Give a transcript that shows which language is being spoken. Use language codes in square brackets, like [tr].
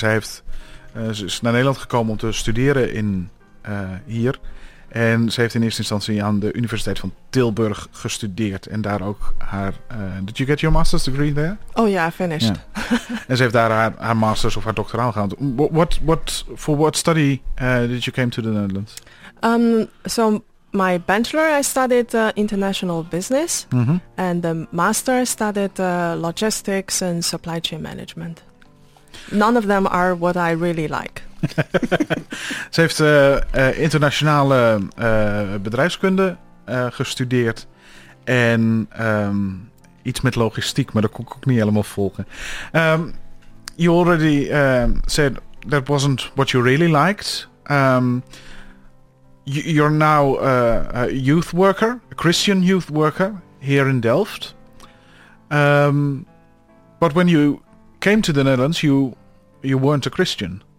[nl] En ze is naar Nederland gekomen om te studeren in hier. En ze heeft in eerste instantie aan de Universiteit van Tilburg gestudeerd. En daar ook haar... [en] did you get your master's degree there? Oh yeah, I finished. Yeah. [nl] En ze heeft daar haar master's of haar doctoraal gehad. [en] For what study did you came to the Netherlands? So my bachelor, I studied international business. Mm-hmm. And the master, I studied logistics and supply chain management. None of them are what I really like. [nl] Ze heeft internationale bedrijfskunde gestudeerd en iets met logistiek, maar dat kon ik ook niet helemaal volgen. [en] You already said that wasn't what you really liked. You're now a youth worker, a Christian youth worker here in Delft. But when you came to the Netherlands, you weren't a Christian.